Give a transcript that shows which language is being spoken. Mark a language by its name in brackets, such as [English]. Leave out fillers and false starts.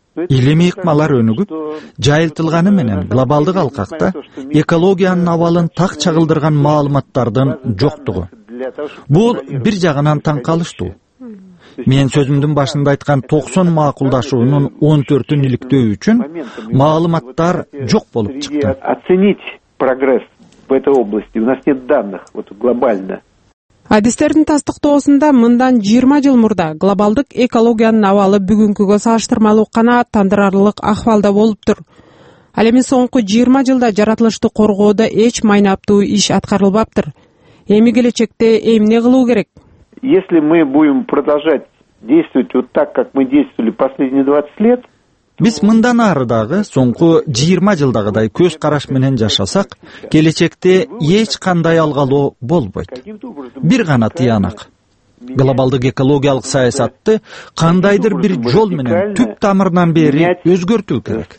[Kyrgyz] Илимий ыкмалар өнүгүп, жайылтылганы менен глобалдык алкакта экологиянын абалын так чагылдырган маалыматтардын жоктугу. Бул бир жагынан таң калыштуу. Мен сөзүмдүн башында айткан 90 макулдашуунун 14-ün иликтөө үчүн маалыматтар жок болуп чыкты. [Russian] Оценить прогресс в этой области. У нас нет данных глобально. [Kyrgyz] Адистердин тастыктоосунда мындан 20 жыл мурда глобалдык экологиянын абалы бүгүнкүгө салыштырмалуу канааттандырарлык ахвалда болуптур. Ал эми соңку 20 жылда жаратылышты коргоодо эч майнаптуу иш аткарылбаптыр. Эми келечекте эмне кылуу керек? [Russian] Если мы будем продолжать действовать вот так, как мы действовали последние 20 лет, [Kyrgyz] биз мындан ары дагы соңку 20 жылдагыдай көз караш менен жашасак, келечекте эч кандай алгалоо болбойт. Бир гана тыянак. Глобалдык экологиялык саясатты кандайдыр бир жол менен түп тамырынан бери өзгөртүү керек.